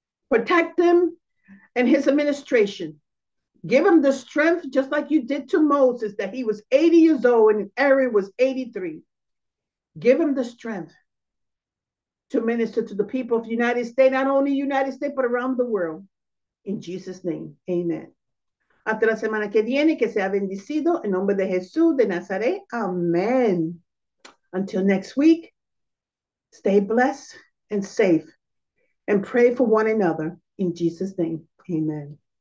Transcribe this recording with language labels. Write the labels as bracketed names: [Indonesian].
[English] Protect him and his administration. Give him the strength, just like you did to Moses, that he was 80 years old and Aaron was 83. Give him the strength to minister to the people of the United States, not only United States, but around the world. In Jesus' name, amen. [Spanish] Hasta la semana que viene, que sea bendecido. En nombre de Jesús de Nazaret, amen. [English] Until next week, stay blessed and safe and pray for one another. In Jesus' name, amen.